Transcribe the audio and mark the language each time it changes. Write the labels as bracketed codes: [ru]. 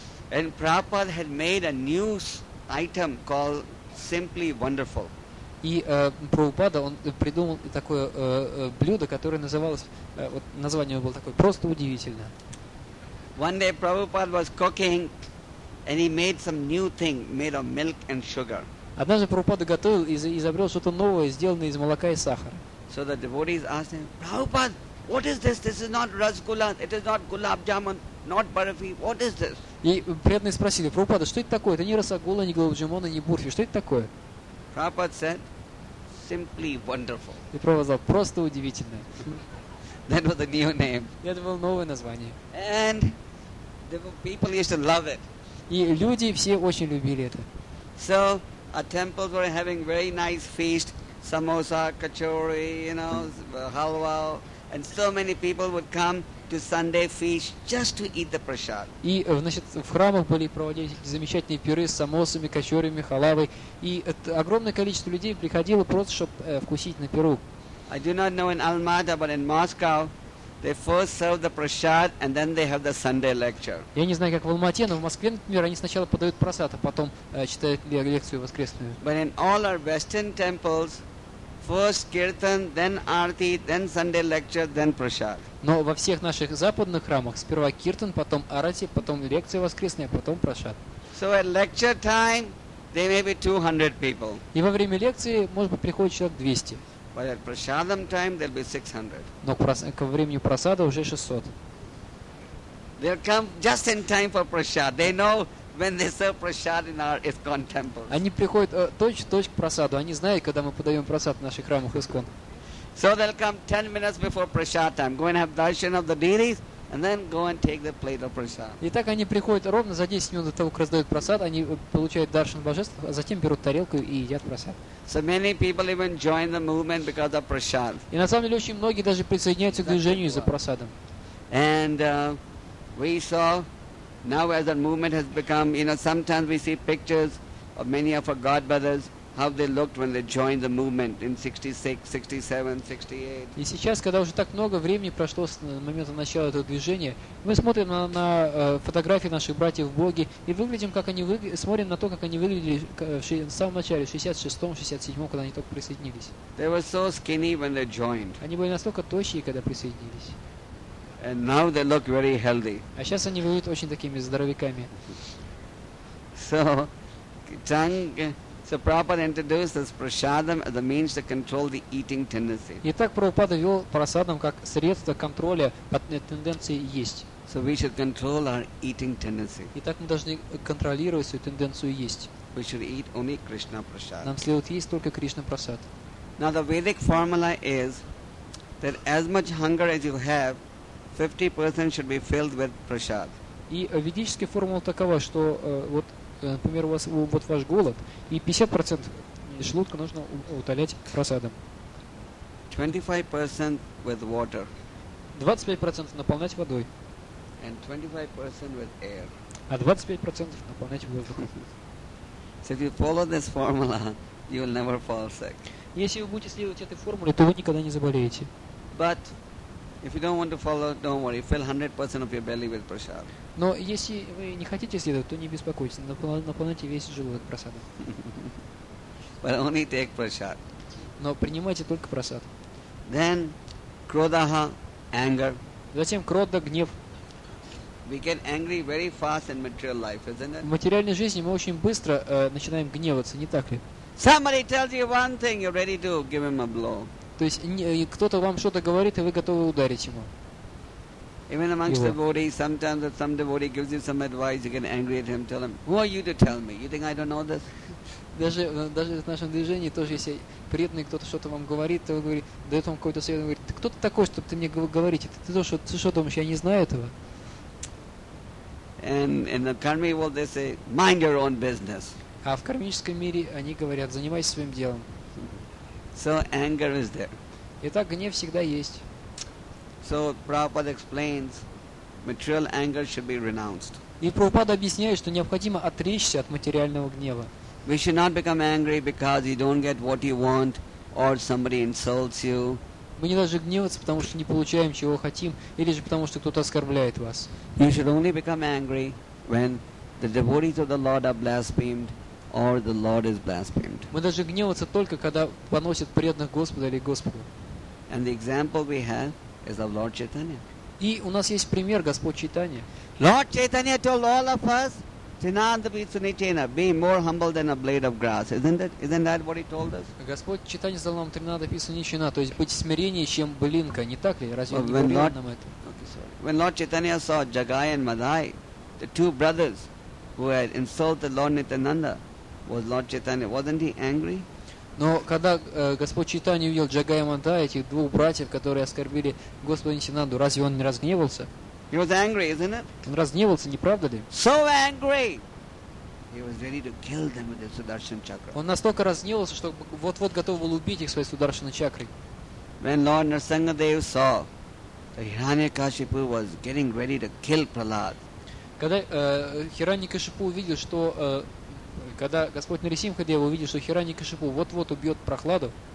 [en] And Prabhupada had made a new item called simply wonderful. [ru] И Прабхупада он придумал такое блюдо, которое называлось вот название его было такое просто удивительно. [en] One day Prabhupada was cooking, and he made some new thing made of milk and sugar. [ru] Однажды Прабхупада готовил и изобрел что-то новое, сделанное из молока и сахара. [en] So the devotees asked him, Prabhupada, what is this? This is not rasgulla, it is not gulab jamun, not barfi. What is this? [ru] И преданные спросили, Прабхупада, что это такое? Это не рассагула, не гулаб джамун, не бурфи. Что это такое? [en] Prabhupada said, simply wonderful. [ru] И Прабхупада сказал, просто удивительно. [en] That was the new name. [ru] Это было новое название. [en] And the people used to love it. [ru] И люди все очень любили это. [en] So our temples were having very nice feast. Samosa, kachori, you know, halwa, and so many people would come to Sunday feast just to eat the prasad. [ru] И, значит, в храмах были проводились замечательные пиры с самосами, кочорями, халавой, и огромное количество людей приходило просто, чтобы вкусить на пиру. [en] I do not know in Almaty, but in Moscow, they first serve the prasad and then they have the Sunday lecture. [ru] Я не знаю, как в Алмате, но в Москве, например, они сначала подают прасад, а потом читают лекцию воскресную. [en] But in all our Western temples, first kirtan, then arti, then Sunday lecture, then prasad. [ru] Но во всех наших западных храмах сперва киртан, потом арати, потом лекция воскресная, потом прасад. [en] So at lecture time, there may be 200 people. [ru] И во время лекции, может быть, приходит человек 200. [en] But at prasadam time, there'll be 600. [ru] Но к времени прасада уже 600. [en] They'll come just in time for prasad. They know when they serve prasad in our ISKCON temples. [ru] Они приходят точь-в-точь к прасаду. Они знают, когда мы подаем прасад в наших храмах ISKCON. [en] So they'll come 10 minutes before prasad time. Go and have darshan of the deities, and then go and take the plate of prasad. [ru] Итак, они приходят ровно за 10 минут до того, как раздают прасад. Они получают даршан божества, а затем берут тарелку и едят прасад. [en] So many people even join the movement because of prasad. [ru] И на самом деле очень многие даже присоединяются к движению из-за прасада. [en] And we saw now as our movement has become, you know, sometimes we see pictures of many of our godbrothers, how they looked when they joined the movement in 66, 67, 68. [ru] И сейчас, когда уже так много времени прошло с момента начала этого движения, мы смотрим на фотографии наших братьев в Боге и выглядим, как они смотрим на то, как они выглядели в самом начале, в 66-м, 67-м, когда они только присоединились. [en] They were so skinny when they joined. [ru] Они были настолько тощие, когда присоединились. [en] And now they look very healthy. [ru] А сейчас они выглядят очень такими здоровяками. [en] So, tongue... So Prabhupada introduced this prasadam as a means to control the eating tendency. [ru] Итак, Прабхупада ввел прасадам как средство контроля тенденции есть. [en] So we should control our eating tendency. [ru] Итак, мы должны контролировать свою тенденцию есть. [en] We should eat only Krishna prasad. [ru] Нам следует есть только Кришна прасад. [en] Now the Vedic formula is that as much hunger as you have, 50% should be filled with prasad. [ru] И ведическая формула такова, что вот, например, у вас вот ваш голод, и 50% желудка нужно утолять прасадом. [en] 25% with water. [ru] 25% наполнять водой. [en] And 25% with air. [ru] А 25% наполнять воздухом. [en] So if you follow this formula, you will never fall sick. [ru] Если вы будете следовать этой формуле, то вы никогда не заболеете. [en] But if you don't want to follow, don't worry. Fill 100% of your belly with prasad. [ru] Но если вы не хотите следовать, то не беспокойтесь. Наполняйте весь желудок прасадом. [en] But only take prasad. [ru] Но принимайте только прасад. [en] Then krodha, anger. [ru] Затем кродо, гнев. [en] We get angry very fast in material life, isn't it? [ru] В материальной жизни мы очень быстро начинаем гневаться, не так ли? [en] Somebody tells you one thing, you're ready to give him a blow. [ru] То есть кто-то вам что-то говорит, и вы готовы ударить ему. [en] Even amongst devotees, sometimes if some devotee gives you some advice, you get angry at him, tell him, who are you to tell me? You think I don't know this? [ru] Даже в нашем движении тоже, если преданный кто-то что-то вам говорит, то вы говорите, дает вам какой-то совет, он говорит, кто ты такой, чтобы ты мне говорить? Ты что думаешь, я не знаю этого? [en] And in the karmic world, they say, mind your own business. [ru] А в кармическом мире они говорят, занимайся своим делом. [en] So anger is there. [ru] Итак, гнев всегда есть. [en] So Prabhupada explains, material anger should be renounced. [ru] И Прабхупада объясняет, что необходимо отречься от материального гнева. [en] We should not become angry because you don't get what you want, or somebody insults you. [ru] Мы не должны гневаться, потому что не получаем, чего хотим, или же потому что кто-то оскорбляет вас. [en] You should only become angry when the devotees of the Lord are blasphemed or the Lord is blasphemed. [ru] Мы должны гневаться только, когда поносят преданных Господа или Господа. [en] And the example we have is of Lord Chaitanya. [ru] И у нас есть пример Господь Чайтанья. [en] Lord Chaitanya told all of us, Chinandabi Sunichena, be more humble than a blade of grass. Isn't that what he told us? [ru] Господь Чайтанья сказал нам, Chinandabi Sunichena, то есть быть смиреннее, чем былинка, не так ли? Разве не говорил нам это? [en] When Lord Chaitanya saw Jagai and Madai, the two brothers who had insulted Lord Nityananda, was Lord Chaitanya, wasn't he angry? [ru] Но когда Господь Чайтанья увидел Джагай и Мадай, этих двух братьев, которые оскорбили Господа Нитянанду, разве он не разгневался? [en] He was angry, isn't it? [ru] Он разгневался, не правда ли? [en] So angry! He was ready to kill them with his Sudarshan chakra. [ru] Он настолько разгневался, что вот-вот готов был убить их своей Сударшана чакрой. [en] When Lord Narsingadev saw that Hiranyakashipu was getting ready to kill Prahlad. [ru] Когда Хираньякашипу увидел, что когда Господь Нарисимхадева увидел, что Хираньякашипу вот-вот убьет Прахладу,